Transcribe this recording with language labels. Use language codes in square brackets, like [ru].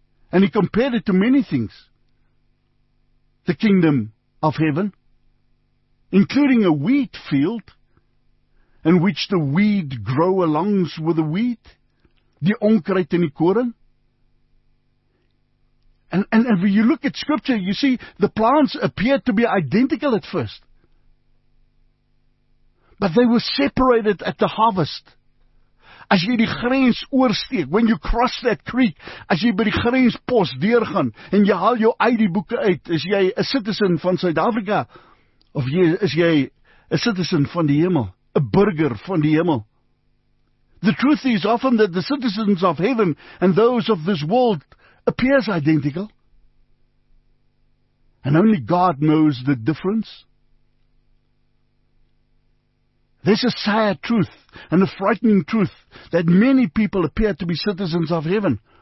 [en] And he compared it to many things. The kingdom of heaven, including a wheat field, in which the weed grow along with the wheat, the [af] onkruit en die koring. [en] And when you look at scripture, you see the plants appear to be identical at first. But they were separated at the harvest. [af] As jy die grens oorsteek, [en] when you cross that creek, [af] as jy by die grenspos deurgaan, en jy haal jou ID-boeke uit, is jy a citizen van Suid-Afrika, of is jy a citizen van die hemel, a burger van die hemel? [en] The truth is often that the citizens of heaven and those of this world appears identical. And only God knows the difference. There's a sad truth and a frightening truth that many people appear to be citizens of heaven.